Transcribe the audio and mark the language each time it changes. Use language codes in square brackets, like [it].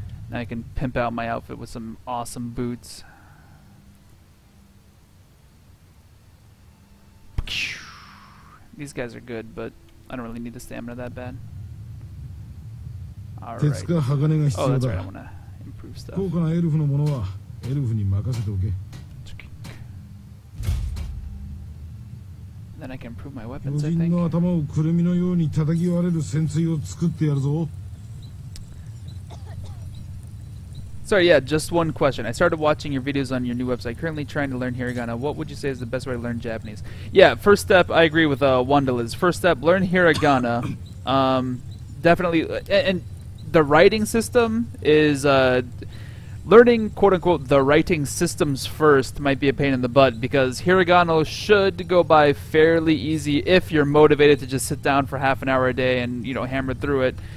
[en] Now I can pimp out my outfit with some awesome boots. These guys are good, but I don't really need the stamina that bad. [ja] 鉄か鋼が必要だ。 [en] Oh, that's right. I wanna improve stuff. [ja] 高価なエルフのものはエルフに任せておけ。 [en] Then I can improve my weapons, I think. [ja] 巨人の頭をクルミのように叩き割れる潜水を作ってやるぞ。 [en] Sorry, yeah, just one question. I started watching your videos on your new website. Currently trying to learn hiragana. What would you say is the best way to learn Japanese? Yeah, first step, I agree with Wandaliz. First step, learn hiragana. definitely, and... The writing system is learning, quote unquote, the writing systems first might be a pain in the butt because hiragana should go by fairly easy if you're motivated to just sit down for half an hour a day and, you know, hammer through it.